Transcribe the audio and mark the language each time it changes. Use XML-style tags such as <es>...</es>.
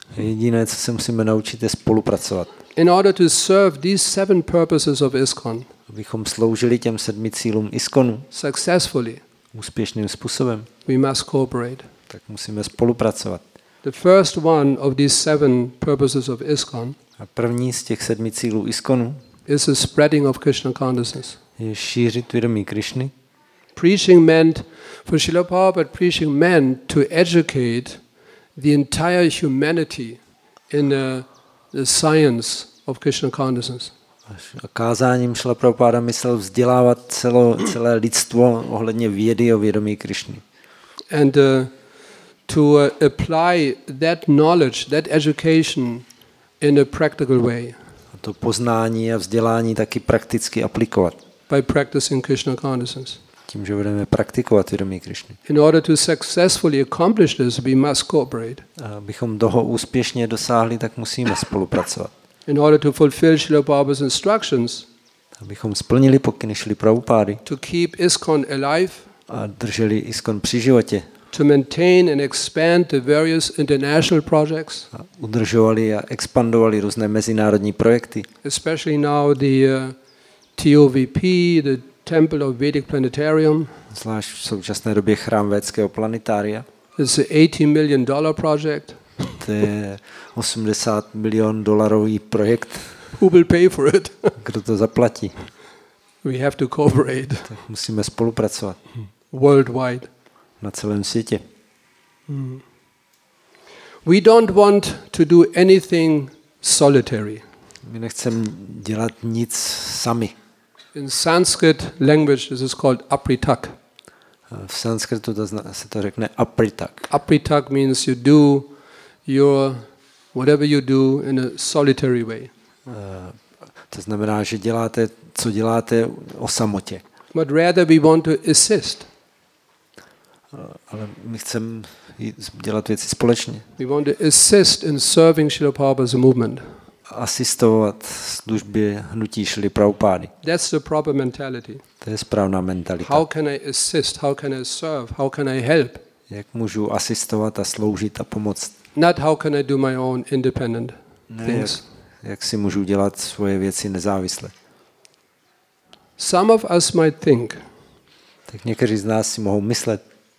<cs>Jediné, co se musíme naučit, je spolupracovat.</cs> <en>In order to serve these seven purposes of ISKCON.</en> <cs>Abychom sloužili těm sedmi cílům ISKCONu.</cs> <en>Successfully.</en> <cs>Úspěšným způsobem.</cs> <en>We must cooperate.</en> <cs>Tak musíme spolupracovat.</cs> <en>The first one of these seven purposes of ISKCON.</en> <cs>A první z těch sedmi cílů ISKCONu.</cs> <en>Is the spreading of Krishna consciousness.</en> <cs>Je šířit vědomí Krišny.</cs> <en>Preaching meant for Srila Prabhupada, preaching meant to educate the entire humanity in the science of Krishna consciousness.</en> <cs>A kázáním Srila Prabhupada myslel vzdělávat celé lidstvo ohledně vědy o vědomí Krišny.</cs> <en>And to apply that knowledge, that education in a practical way.</en> <cs>To poznání a vzdělání taky prakticky aplikovat.</cs> <en>By practicing Krishna consciousness.</en> <cs>Tím, že budeme praktikovat vědomí Krišny.</cs> <en>In order to successfully accomplish this, we must cooperate.</en> <cs>Abychom toho úspěšně dosáhli, tak musíme spolupracovat.</cs> <en>In order to fulfill Srila Prabhupada's instructions.</en> <cs>Abychom splnili pokyny Srily Prabhupády.</cs> <en>To keep ISKCON alive.</en> <cs>A drželi ISKCON při životě.</cs> <en>To maintain and expand the various international projects.</en> <cs>A udržovali a expandovali různé mezinárodní projekty.</cs> <en>Especially now the TOVP, the temple of Vedic planetarium.</en> <cs>Zvlášť v současné době chrám védského planetária.</cs> <en>It's an $80 million project.</en> <cs>To je 80 milion dolarový projekt.</cs> <en>Who will pay for it?</en> <cs>Kdo to zaplatí?</cs> <en>We have to cooperate.</en> <cs>Tak musíme spolupracovat.</cs> <en>Worldwide.</en> <cs>Na celém světě.</cs> <en>We don't want to do anything solitary.</en> <cs>My nechceme dělat nic sami.</cs> <en>In Sanskrit language this is called apritak.</en> <cs>V sanskritu se to řekne apritak.</cs> <en>Apritak means you do your whatever you do in a solitary way.</en> <cs>To znamená, že děláte, co děláte o samotě.</cs> <en>But rather we want to assist.</en> <cs>Ale my chceme dělat věci společně.</cs> <en>We want to assist in serving Srila Prabhupada's movement.</en> <cs>Asistovat službě hnutí Šrily Prabhupády.</cs> <en>That's the proper mentality.</en> <cs>To je správná mentalita.</cs> <en>How can I assist? How can I serve? How can I help?</en> <cs>Jak můžu asistovat a sloužit a pomoct?</cs> <en>Not how can I do my own independent things.</en> <cs>Jak si můžu dělat svoje věci nezávisle?</cs> <en>Some of us might think.</en> <cs>Tak někteří z nás si mohou myslet.</cs>